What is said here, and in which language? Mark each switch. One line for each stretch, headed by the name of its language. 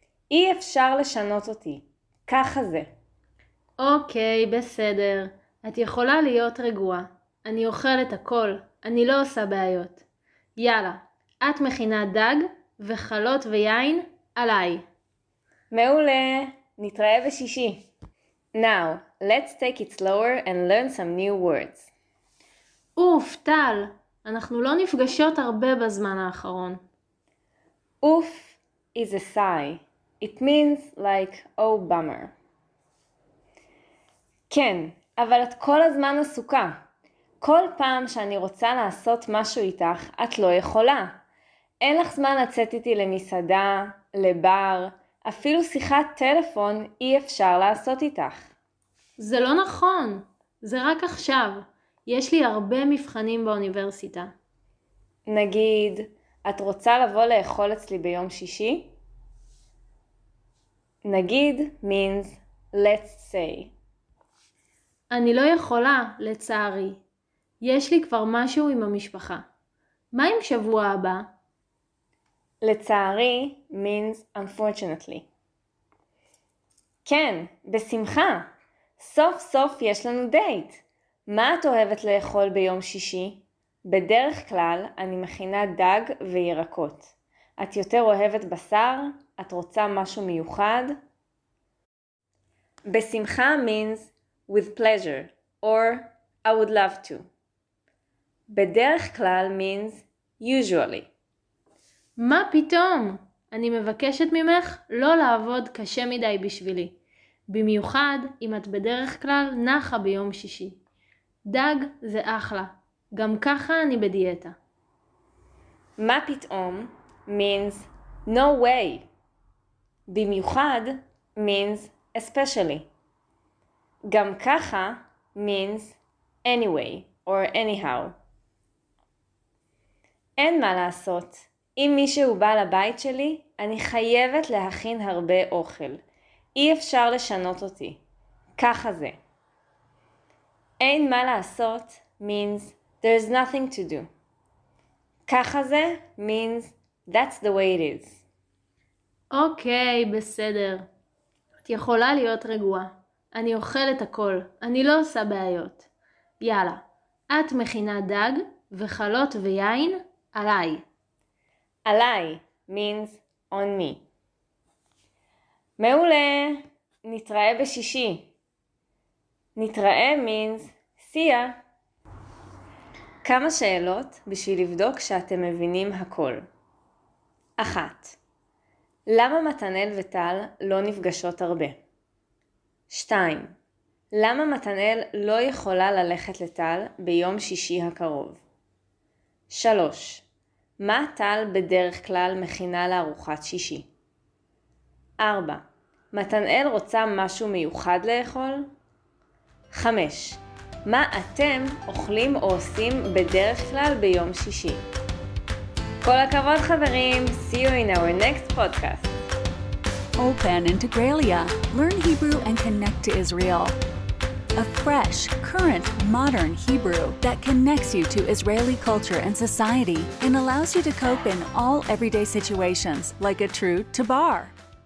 Hebrew: אי אפשר לשנות אותי. ככה זה. אוקיי, בסדר. את יכולה להיות רגועה. אני אוכלת הכל. אני לא עושה בעיות. יאללה, את מכינה דג וחלות ויין עליי. מעולה, נתראה בשישי.
English: Now, let's take it slower and learn some new words.
Hebrew: אוף, טל, אנחנו לא נפגשות הרבה בזמן האחרון.
English: אוף is a sigh. It means like, oh bummer.
Hebrew: כן, אבל את כל הזמן עסוקה. כל פעם שאני רוצה לעשות משהו איתך, את לא יכולה. אין לך זמן לצאת איתי למסעדה, לבר, אפילו שיחת טלפון אי אפשר לעשות איתך. זה לא נכון. זה רק עכשיו. יש לי הרבה מבחנים באוניברסיטה. נגיד, את רוצה לבוא לאכול אצלי ביום שישי?
English: נגיד means let's say.
Hebrew: אני לא יכולה, לצערי. יש לי כבר משהו עם המשפחה. מה עם שבוע הבא?
English: לצערי means unfortunately.
Hebrew: כן, בשמחה. סוף סוף יש לנו דייט. מה את אוהבת לאכול ביום שישי? בדרך כלל אני מכינה דג וירקות. את יותר אוהבת בשר? את רוצה משהו מיוחד?
English: בשמחה means with pleasure or I would love to. בדרך כלל means usually.
Hebrew: מה פתאום? אני מבקשת ממך לא לעבוד קשה מדי בשבילי. במיוחד אם את בדרך כלל נחה ביום שישי. דג זה אחלה. גם ככה אני בדיאטה.
English: מה פתאום means no way. במיוחד means especially. גם ככה means anyway or anyhow.
Hebrew: אין מה לעשות. אם מישהו בא לבית שלי, אני חייבת להכין הרבה אוכל. אי אפשר לשנות אותי. ככה זה.
English: אין מה לעשות means there's nothing to do. ככה זה means that's the way it is.
Hebrew: אוקיי, בסדר. את יכולה להיות רגועה. אני אוכלת הכל. אני לא עושה בעיות. יאללה, את מכינה דג וחלות ויין? עליי. עליי
English: means on me.
Hebrew: מעולה, נתראה בשישי.
English: נתראה means see ya.
Hebrew: כמה שאלות בשביל לבדוק שאתם מבינים הכל. אחת, למה מתנאל וטל לא נפגשות הרבה? שתיים, למה מתנאל לא יכולה ללכת לטל ביום שישי הקרוב? שלוש, מה טל בדרך כלל מכינה לארוחת שישי? 4. מתנאל רוצה משהו מיוחד לאכול? 5. מה אתם אוכלים או עושים בדרך כלל ביום שישי? כל הכבוד חברים!
English: See you in our next podcast! Ulpan Integraliah. Learn Hebrew and connect to Israel. A fresh, current, modern Hebrew that connects you to Israeli culture and society and allows you to cope in all everyday situations like a true tabar.